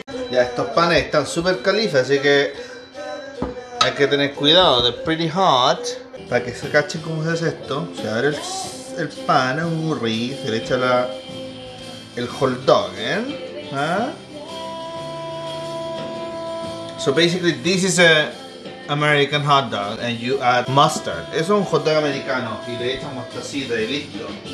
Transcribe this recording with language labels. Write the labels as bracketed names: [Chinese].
[Spanish] Ya, estos panes están súper calientes, así que hay que tener cuidado. [English] They're pretty hot. [Spanish] Para que se cachen cómo se hace esto, se abre el pan, es un burrí, se le echa el hot dog, ¿eh? ¿Ah? [English] So basically, this is an American hot dog, and you add mustard. [Spanish] Eso es un hot dog americano, y le echamos mostacita y listo.